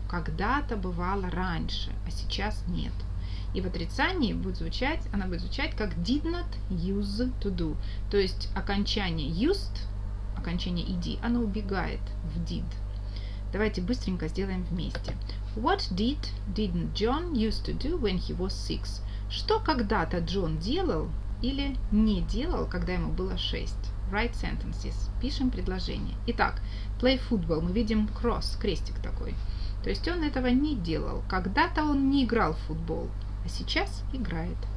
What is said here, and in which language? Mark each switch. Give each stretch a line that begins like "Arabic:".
Russian: Когда-то бывало раньше, а сейчас нет. И в отрицании будет звучать, она будет звучать как
English: did not use to do.
Russian: То есть окончание used, окончание ed, оно убегает в did. Давайте быстренько сделаем вместе.
English: What didn't John used to do when he was six?
Russian: Что когда-то Джон делал? Или не делал, когда ему было 6.
English: Write sentences.
Russian: Пишем предложение. Итак,
English: play football.
Russian: Мы видим cross, крестик такой. То есть он этого не делал. Когда-то он не играл в футбол, а сейчас играет.